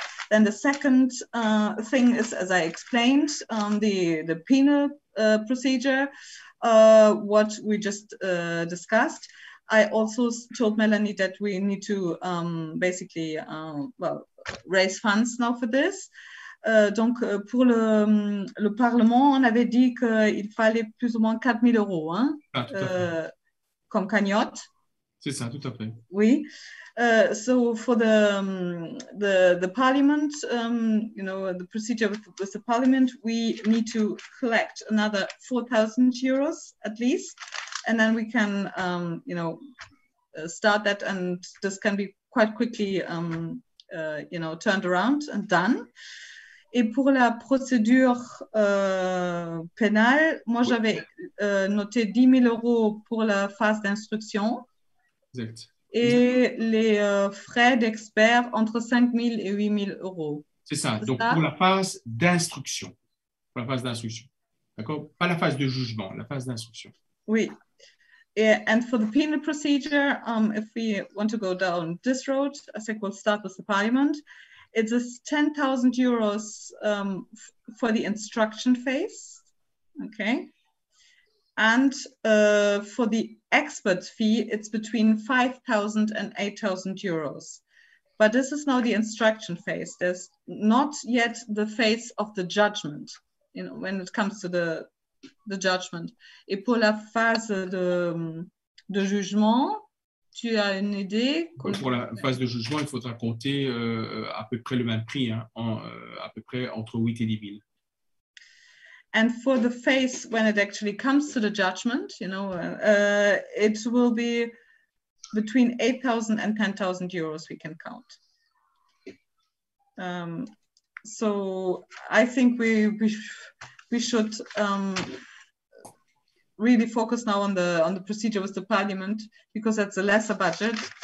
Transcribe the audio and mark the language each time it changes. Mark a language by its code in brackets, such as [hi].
[en] Then the second thing is, as I explained, the penal procedure. What we just discussed. I also told Melanie that we need to basically well, raise funds now for this. [fr] Donc pour le Parlement, on avait dit qu'il fallait plus ou moins 4000 euros, hein, comme cagnotte. C'est ça, tout à fait. Oui. So for the Parliament, you know, the procedure with the Parliament, we need to collect another 4,000 euros at least, and then we can, you know, start that, and this can be quite quickly, you know, turned around and done. Et pour la procédure pénale, moi j'avais noté 10 000 euros pour la phase d'instruction. Exact. Et les frais d'experts entre 5 000 et 8 000 euros. C'est ça. C'est donc ça? Pour la phase d'instruction. Pour la phase d'instruction. D'accord? Pas la phase de jugement, la phase d'instruction. Oui. [en] And for the penal procedure, if we want to go down this road, I think we'll start with the parliament. It's 10,000 euros for the instruction phase. Okay. And for the expert fee, it's between 5,000 and 8,000 euros. But this is now the instruction phase. There's not yet the phase of the judgment, you know, when it comes to the judgment. [fr] Et pour la phase de jugement, tu as une idée? Pour la phase de jugement, il faudra compter à peu près le même prix, hein, à peu près entre 8 et 10 000. [en] And for the phase when it actually comes to the judgment, you know, it will be between 8,000 and 10,000 euros we can count. So I think we should really focus now on the procedure with the parliament, because that's a lesser budget.